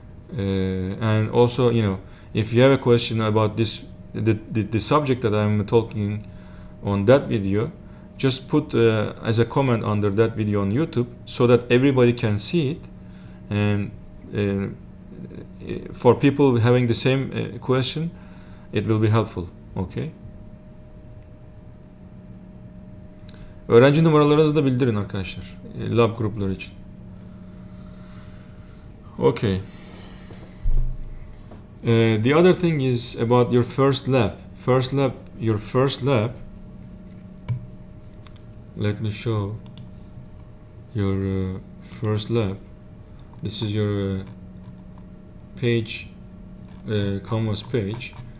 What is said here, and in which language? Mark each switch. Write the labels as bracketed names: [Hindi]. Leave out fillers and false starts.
[English] And also, you know, if you have a question about this, the subject that I'm talking on that video, just put as a comment under that video on YouTube so that everybody can see it, and for people having the same question, it will be helpful, okay? [Turkish] Öğrenci numaralarınızı da bildirin arkadaşlar, lab grupları için. [English] Okay. The other thing is about your first lab. Let me show your first lab. This is your page, canvas page.